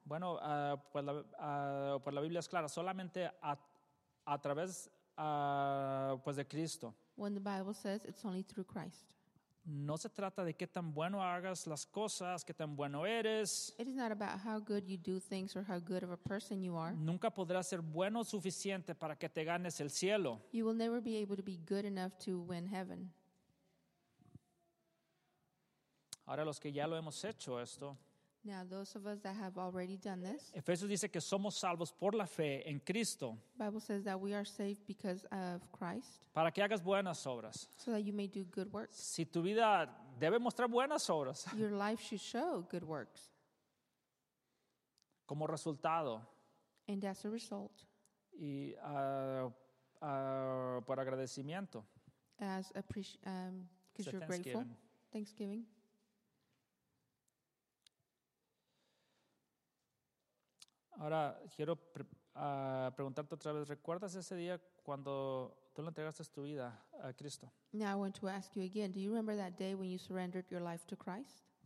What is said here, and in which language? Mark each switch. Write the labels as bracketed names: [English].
[Spanish] Bueno, pues la Biblia es clara, solamente a través pues de Cristo. [English] When the Bible says it's only through Christ. [Spanish] No se trata de qué tan bueno hagas las cosas, qué tan bueno eres. [English] It is not about how good you do things or how good of a person you are. [Spanish] Nunca podrás ser bueno suficiente para que te ganes el cielo. [English] You will never be able to be good enough to win heaven. [Spanish] Ahora los que ya lo hemos hecho esto. [English] Now those of us that have already done this. [Spanish] Efesios dice que somos salvos por la fe en Cristo. [English] Bible says that we are saved because of Christ. [Spanish] Para que hagas buenas obras. [English] So that you may do good works. [Spanish] Si tu vida debe mostrar buenas obras. [English] Your life should show good works. [Spanish] Como resultado. [English] And as a result. [Spanish] Y por agradecimiento. [English] As because you're grateful. Thanksgiving. [Spanish] Ahora, quiero preguntarte otra vez, ¿recuerdas ese día cuando tú le entregaste tu vida a Cristo? [English] Now I want to ask you again, do you remember that day when you surrendered your life to Christ?